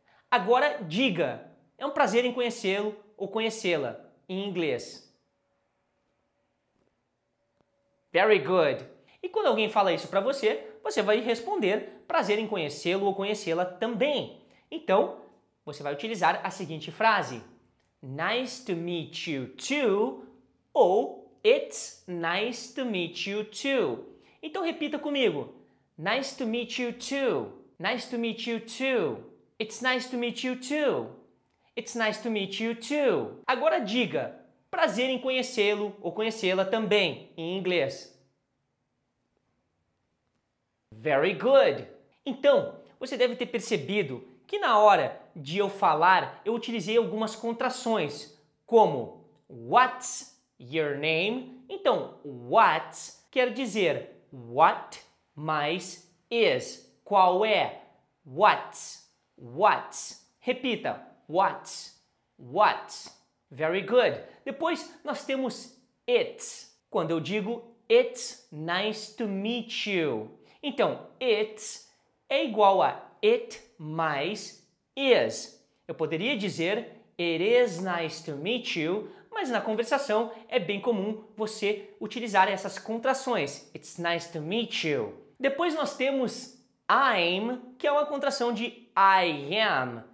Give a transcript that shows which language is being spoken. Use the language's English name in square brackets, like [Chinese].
[Portuguese] Agora diga, é um prazer em conhecê-lo ou conhecê-la em inglês. [English] Very good. [Portuguese] E quando alguém fala isso para você, você vai responder prazer em conhecê-lo ou conhecê-la também. Então, você vai utilizar a seguinte frase. [English] Nice to meet you too ou it's nice to meet you too. [Portuguese] Então, repita comigo. [English] Nice to meet you too. Nice to meet you too. It's nice to meet you too. It's nice to meet you too. [Portuguese] Agora diga, prazer em conhecê-lo ou conhecê-la também em inglês. [English] Very good. [Portuguese] Então, você deve ter percebido que na hora de eu falar, eu utilizei algumas contrações, como [English] what's your name? [Portuguese] Então, what's quer dizer what mais is. Qual é? [English] What's. What's. [Portuguese] Repita. [English] What's. What's. Very good. [Portuguese] Depois nós temos it's. Quando eu digo [English] it's nice to meet you. [Portuguese] Então, it's é igual a it mais is. Eu poderia dizer [English] it is nice to meet you, [Portuguese] mas na conversação é bem comum você utilizar essas contrações. [English] It's nice to meet you. [Portuguese] Depois nós temos I'm, que é uma contração de I am.